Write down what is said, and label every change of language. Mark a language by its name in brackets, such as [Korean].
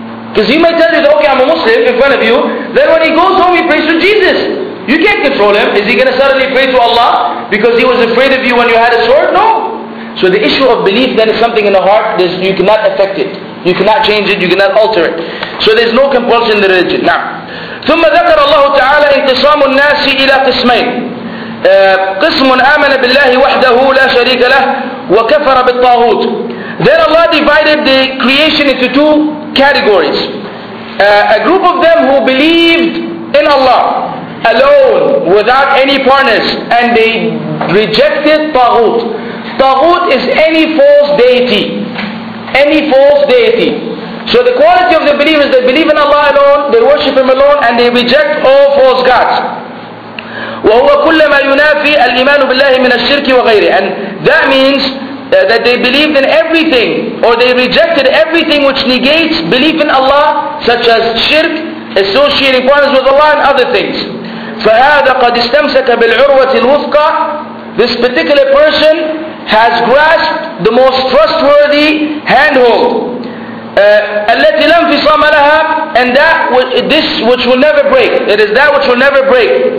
[English] Because he might tell you, okay, I'm a Muslim in front of you, then when he goes home, he prays to Jesus. You can't control him. Is he going to suddenly pray to Allah because he was afraid of you when you had a sword? No. So the issue of belief then is something in the heart. You cannot affect it. You cannot change it. You cannot alter it. So there's no compulsion in the religion. Now, [Arabic] ثُمَّ ذَكَرَ اللَّهُ تَعَالَى إِنْتِصَامُ النَّاسِ إِلَىٰ قِسْمَيْنِ قسم آمن بالله وحده لا شريك له وكفر بالطاغوت. [English] Then Allah divided the creation into two categories. A group of them who believed in Allah alone, without any partners, and they rejected طاغوت. طاغوت is any false deity. Any false deity. So the quality of the believers, they believe in Allah alone, they worship Him alone, and they reject all false gods. [Arabic] وهو كل ما ينافي الإيمان بالله من الشرك وغيره. [English] And that means that they believed in everything, or they rejected everything which negates belief in Allah, such as shirk, associating partners with Allah, and other things. [Arabic] فهذا قد استمسك بالعروة الوثقى. [English] This particular person has grasped the most trustworthy handhold. [Arabic] التي لم انفصام لها, [English] and that this which will never break. It is that which will never break.